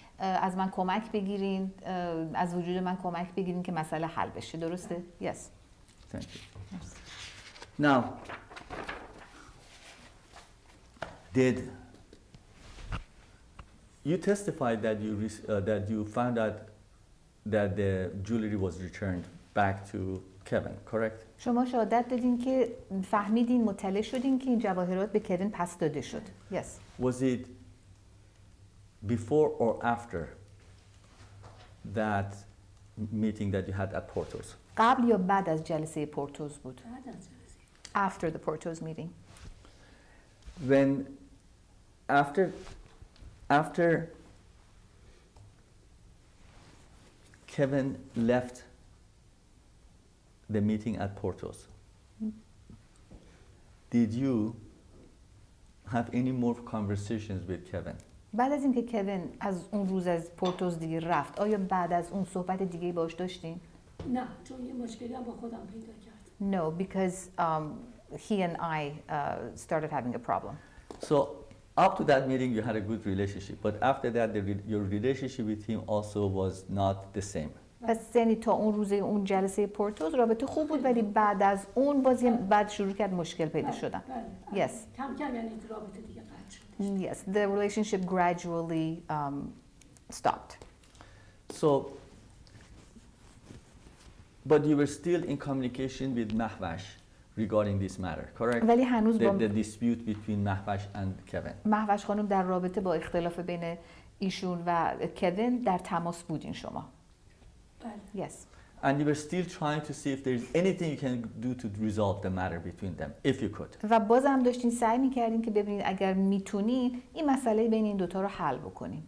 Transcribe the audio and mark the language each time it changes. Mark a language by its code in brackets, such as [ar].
[fa] از من کمک بگیرین از وجود من کمک بگیرین که مسئله حل بشه درسته؟ [en] Yes. Thank you. Now, did you testify that you that you found out that the jewelry was returned back to Kevin, correct? [fa] شما شهادت دادین که فهمیدین مطلع شدین که این جواهرات به کوین پس داده شد. [en] Yes. Was it before or after that meeting that you had at Porto's? [fa] قبل یا بعد از جلسه پورتوز بود؟ بعد از جلسه. [en] After the Porto's meeting. When after Kevin left the meeting at Porto's, did you have any more conversations with Kevin? [fa] بعد از اینکه کوین از اون روز از پورتوز دیگه رفت آیا بعد از اون صحبت دیگه ای باش داشتین؟ نه چون یه مشکلی هم با خودم پیدا کرد. [en] No, because he and I started having a problem. So up to that meeting you had a good relationship, but after that your relationship with him also was not the same. [fa] پس یعنی تا اون روز اون جلسه پورتوز رابطه خوب بود ولی بعد از اون بازی بعد شروع کرد مشکل پیدا شدن. [en] Yes. [fa] کم کم یعنی تو رابطه دیگه [en] Yes, the relationship gradually stopped. So, but you were still in communication with Mahvash regarding this matter, correct? [fa] ولی هنوز [en] the dispute between Mahvash and Kevin. [fa] Mahvash خانم در رابطه با اختلاف بین ایشون و کوین در تماس بودین شما. [en] Yes. And you were still trying to see if there's anything you can do to resolve the matter between them, if you could. [fa] و بازم داشتین سعی میکردین که ببینید اگر میتونین این مسئله بین این دوتا رو حل بکنین.